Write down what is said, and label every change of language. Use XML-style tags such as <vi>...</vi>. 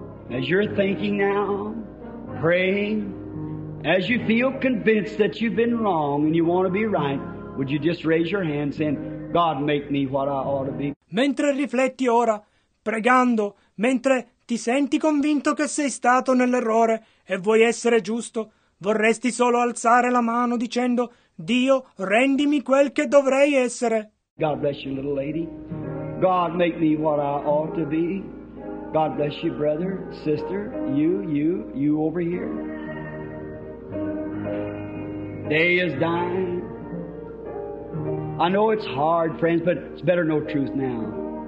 <en>As you're thinking now, praying, as you feel convinced that you've been wrong and you want to be right, would you just raise your hand saying, God, make me what I ought to be.</en> <it>Mentre rifletti ora, pregando, mentre ti senti convinto che sei stato nell'errore e vuoi essere giusto, vorresti solo alzare la mano dicendo, Dio, rendimi quel che dovrei essere.</it> <en>God bless you, little lady. God, make me what I ought to be. God bless you, brother, sister, you over here. Day is dying. I know it's hard, friends, but it's better know truth now.</en>